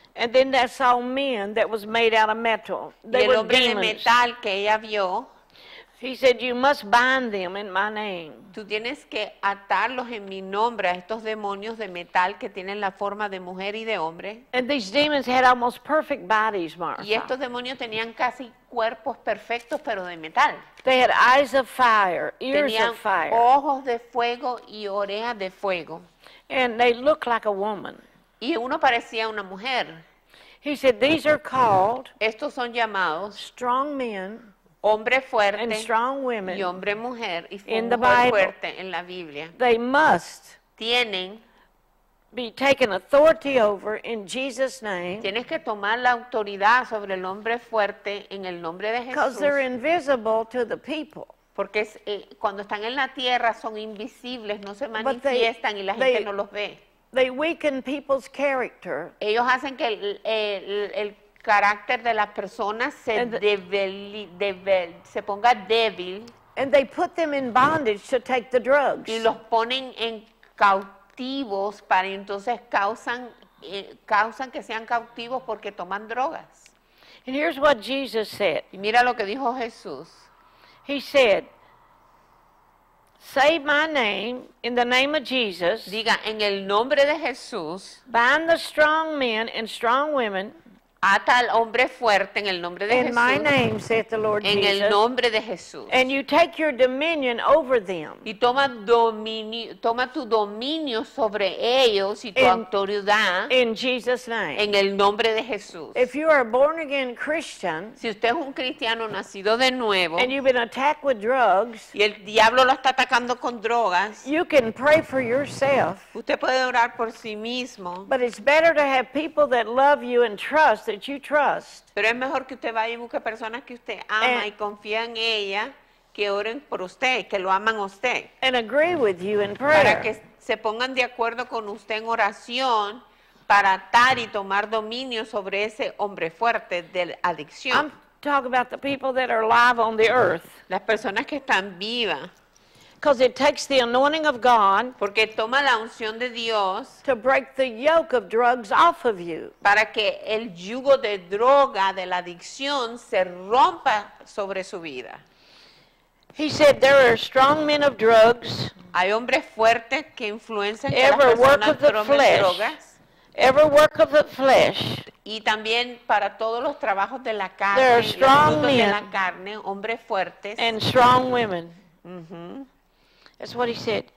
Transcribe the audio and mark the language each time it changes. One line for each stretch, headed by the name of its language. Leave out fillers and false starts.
English: And then that saw men that was made out of metal. They were demons.
Spanish: Y el hombre de metal que ella vio.
English: He said, "You must bind them in my name."
Spanish: Tú tienes que atarlos en mi nombre a estos demonios de metal que tienen la forma de mujer y de hombre.
English: And these demons had almost perfect bodies, Martha.
Spanish: Y estos demonios tenían casi cuerpos perfectos, pero de metal.
English: They had eyes of fire, ears
Spanish: tenían
English: of fire.
Spanish: Ojos de fuego y orejas de fuego.
English: And they looked like a woman.
Spanish: Y uno parecía una mujer.
English: He said, "These are called."
Spanish: Estos son llamados
English: strong men.
Spanish: Hombre fuerte
English: and strong women
Spanish: y hombre mujer y
English: in the Bible,
Spanish: fuerte en la Biblia.
English: They must
Spanish: tienen
English: be taken authority over in Jesus' name.
Spanish: Tienes que tomar la autoridad sobre el hombre fuerte en el nombre de Jesús.
English: Because they're invisible to the people.
Spanish: Porque cuando están en la tierra son invisibles, no se manifiestan
English: they,
Spanish: y la gente no los ve.
English: They weaken people's character.
Spanish: Ellos hacen que el carácter de las personas se ponga débil.
English: And they put them in bondage to take the drugs.
Spanish: Y los ponen en cautivos para entonces causan que sean cautivos porque toman drogas.
English: And here's what Jesus said.
Spanish: Y mira lo que dijo Jesús.
English: He said, Save my name in the name of Jesus.
Spanish: Diga en el nombre de Jesús.
English: Bind the strong men and strong women.
Spanish: Ata al hombre fuerte en el nombre de
English: in
Spanish: Jesús.
English: In my name, saith the Lord
Spanish: en
English: Jesus.
Spanish: En el nombre de Jesús.
English: And you take your dominion over them.
Spanish: Y toma tu dominio sobre ellos y tu autoridad.
English: In Jesus' name.
Spanish: En el nombre de Jesús.
English: If you are a born again Christian.
Spanish: Si usted es un cristiano nacido de nuevo.
English: And you've been attacked with drugs.
Spanish: Y el diablo lo está atacando con drogas.
English: You can pray for yourself.
Spanish: Usted puede orar por sí mismo.
English: But it's better to have people that love you and trust. That you trust.
Spanish: Pero es mejor que usted vaya y busque personas que usted ama y confía en ella, que oren por usted, que lo aman a usted.
English: And agree with you in prayer.
Spanish: Para que se pongan de acuerdo con usted en oración para atar y tomar dominio sobre ese hombre fuerte de adicción.
English: I'm talking about the people that are alive on the earth.
Spanish: Las personas que están vivas.
English: Because it takes the anointing of God.
Spanish: Porque toma la unción de Dios.
English: To break the yoke of drugs off of you.
Spanish: Para que el yugo de droga, de la adicción, se rompa sobre su vida.
English: He said there are strong men of drugs.
Spanish: Hay hombres fuertes que influencian que las personas tomen drogas.
English: Every work of the flesh.
Spanish: Y también para todos los trabajos de la carne.
English: There are strong men.
Spanish: De la carne, hombres fuertes.
English: And strong women. Mm-hmm. That's what he said.